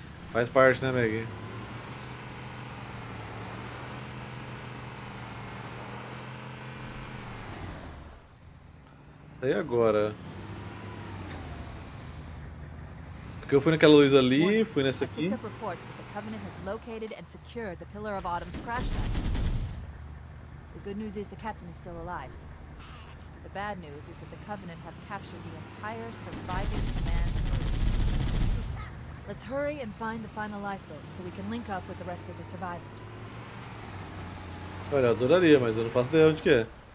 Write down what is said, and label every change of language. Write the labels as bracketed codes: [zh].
[pt] Faz parte, né, Maggie? E agora? Porque eu fui naquela luz ali, fui nessa aqui. Eu tenho reportes que o [en] Covenant has located and secured the Pillar of Autumn's crash site. The good news is the captain is still alive. The bad news is that the Covenant have captured the entire surviving command group. Let's hurry and find the final lifeboat so we can link up with the rest of the survivors. [pt] Olha, eu adoraria, mas eu não faço ideia onde que é.